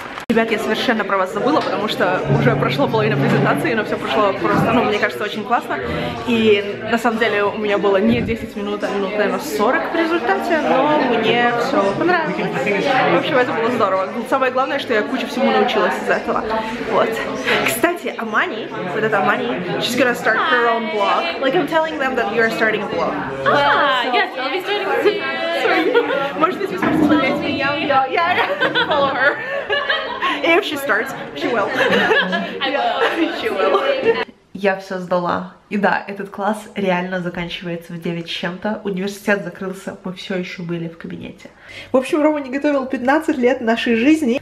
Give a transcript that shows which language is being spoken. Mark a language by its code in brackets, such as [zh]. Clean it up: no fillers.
[ru] Ребят, я совершенно про вас забыла, потому что уже прошло половина презентации, но все прошло просто, ну, мне кажется, очень классно. И на самом деле у меня было не 10 минут, а минут, наверное, 40 в результате, но мне все понравилось. В общем, это было здорово. Самое главное, что я кучу всему научилась из этого. Вот. Кстати, Амани, вот это Амани, [en] she's gonna start her own blog. Like, I'm telling them that you're starting a blog. Ah, yes, I'll be starting too. [ru] Может быть, вы сможете смотреть меня? [en] Yeah, follow her. If she starts, she will. She will. [ru] Я все сдала. И да, этот класс реально заканчивается в 9 с чем-то. Университет закрылся, мы все еще были в кабинете. В общем, Рома не готовил 15 лет нашей жизни.